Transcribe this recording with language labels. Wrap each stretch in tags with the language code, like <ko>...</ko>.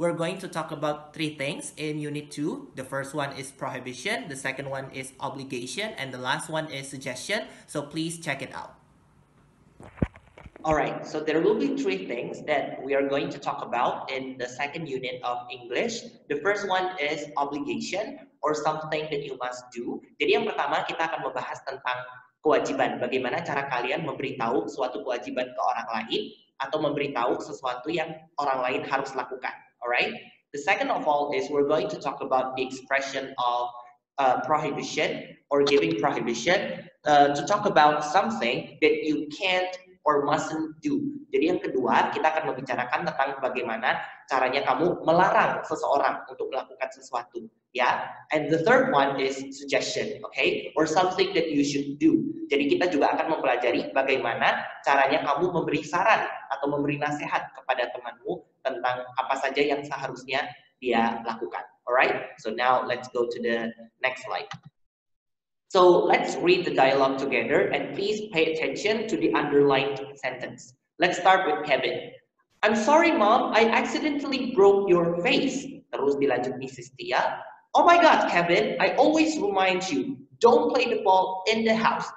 <en>We're going to talk about three things in Unit 2. The first one is prohibition, the second one is obligation, and the last one is suggestion. So please check it out. Alright, so there will be three things that we are going to talk about in the second unit of English. The first one is obligation or something that you must do.</en> <id>Jadi yang pertama kita akan membahas tentang kewajiban, bagaimana cara kalian memberitahu suatu kewajiban ke orang lain atau memberitahu sesuatu yang orang lain harus lakukan.</id> <en>Alright? The second of all is we're going to talk about the expression of prohibition or giving prohibition to talk about something that you can't or mustn't do.</en> <id>Jadi yang kedua, kita akan membicarakan tentang bagaimana caranya kamu melarang seseorang untuk melakukan sesuatu.</id> <en>Yeah, and the third one is suggestion, okay, or something that you should do.</en> <id>Jadi kita juga akan mempelajari bagaimana caranya kamu memberi saran atau memberi nasihat kepada temanmu tentang apa saja yang seharusnya dia lakukan.</id> <en>Alright, so now let's go to the next slide. So let's read the dialogue together and please pay attention to the underlined sentence. Let's start with Kevin. I'm sorry, Mom, I accidentally broke your vase.</en> <id>Terus dilanjut</id> <en>Mrs. Tia. Oh my God, Kevin, I always remind you, don't play the ball in the house.</en>